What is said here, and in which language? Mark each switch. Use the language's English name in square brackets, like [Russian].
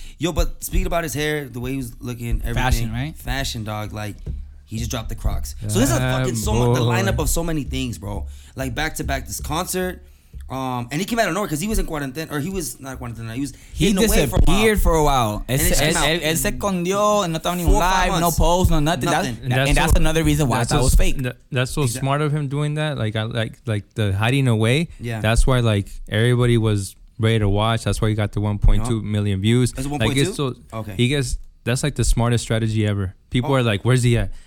[English] Yo, but speaking about his hair, the way he was looking, everything. Fashion, right? Fashion, dog. Like, he just dropped the Crocs. So this is fucking so much. The lineup of so many things, bro. Like, back to back, this concert. And he came out of nowhere because he was in quarantine, or he was not quarantine. He disappeared for a while. [Spanish] Él se escondió, no estaba ni [English] live, no post, no nothing. That's another reason why that was fake. That's so smart of him doing that. Like the hiding away. Yeah. That's why like everybody was ready to watch. That's why he got the 1.2 million views. That's 1.2. Okay. He gets that's like the smartest strategy ever. People are like, "Where's he at?